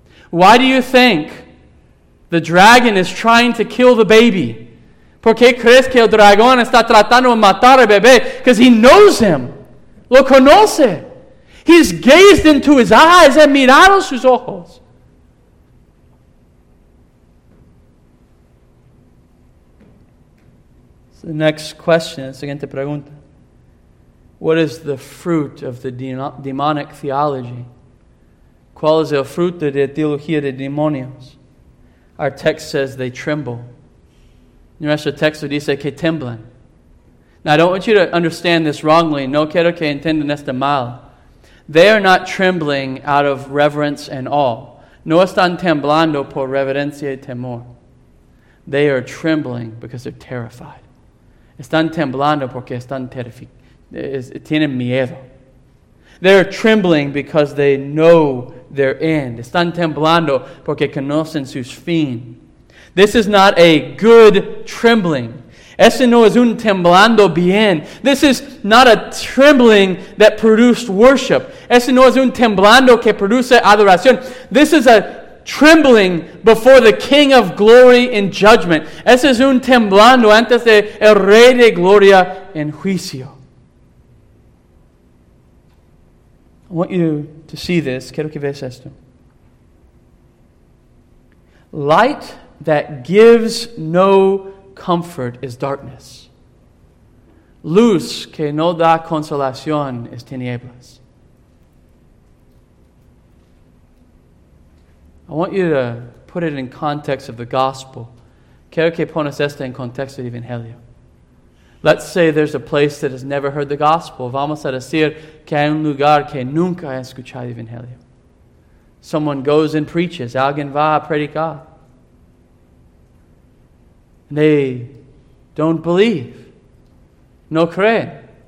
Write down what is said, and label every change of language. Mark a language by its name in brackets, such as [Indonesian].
[English] Why do you think the dragon is trying to kill the baby? [Spanish] ¿Por qué crees que el dragón está tratando de matar al bebé? [English] Because he knows him. [Spanish] Lo conoce. [English] He's gazed into his eyes and [Spanish] mirado sus ojos. [English] The next question, [Spanish] siguiente pregunta. [English] What is the fruit of the demonic theology? [Spanish] ¿Cuál es el fruto de la teología de demonios? [English] Our text says they tremble. [Spanish] Nuestro texto dice que tiemblan. [English] Now, I don't want you to understand this wrongly. [Spanish] No quiero que entiendan esto mal. [English] They are not trembling out of reverence and awe. [Spanish] No están temblando por reverencia y temor. [English] They are trembling because they're terrified. [Spanish] Están temblando porque están tienen miedo. [English] They're trembling because they know their end. [Spanish] Están temblando porque conocen su fin. [English] This is not a good trembling. [Spanish] Ese no es un temblando bien. [English] This is not a trembling that produced worship. [Spanish] Ese no es un temblando que produce adoración. [English] This is a trembling before the King of Glory in judgment. [Spanish] Ese es un temblando antes de el Rey de Gloria en juicio. [English] I want you to see this. [Spanish] Quiero que veas esto. [English] Light that gives no comfort is darkness. [Spanish] Luz que no da consolación es tinieblas. [English] I want you to put it in context of the gospel. [Spanish] Quiero que pones esto en contexto del evangelio. [English] Let's say there's a place that has never heard the gospel. [Spanish] Vamos a decir que hay un lugar que nunca ha escuchado el evangelio. [English] Someone goes and preaches. [Spanish] Alguien va a predicar. [English] They don't believe. [Spanish] No creen.